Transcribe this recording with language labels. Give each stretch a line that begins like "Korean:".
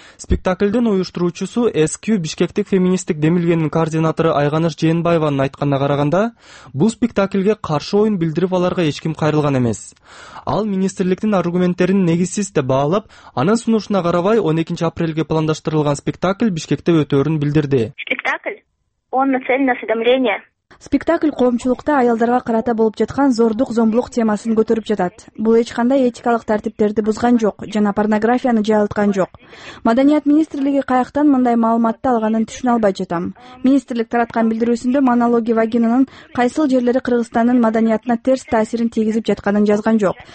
Kyrgyz: Спектаклдин уюштуруучусу SQ Бишкектик феминисттик демилгенин координатору Айганыш Жээнбаеванын айтканына караганда, бул спектаклге каршы оюн билдирип аларга эч ким кайрылган эмес. Ал министрликтин аргументтерин негизсиз деп баалап, анын сунушуна карабай 12 апрелге пландаштырылган спектакль Бишкекте өтөрүн билдирди.
Russian: Спектакль он нацелен на осведомление.
Kyrgyz: Спектакль коомчулукта аялдарга карата болуп жаткан зордук зомбулук темасын көтөрүп жатат. Бул эч кандай этикалык тартиптерди бузган жок жана порнографияны жайылткан жок. Маданият министрлиги каяктан мындай маалыматты алганын түшүнө албай жатам. Министрлик тараткан билдирүүсүндө монологи вагинанын кайсыл жерлери Кыргызстандын маданиятына терс таасирин тийгизип жатканын жазган жок.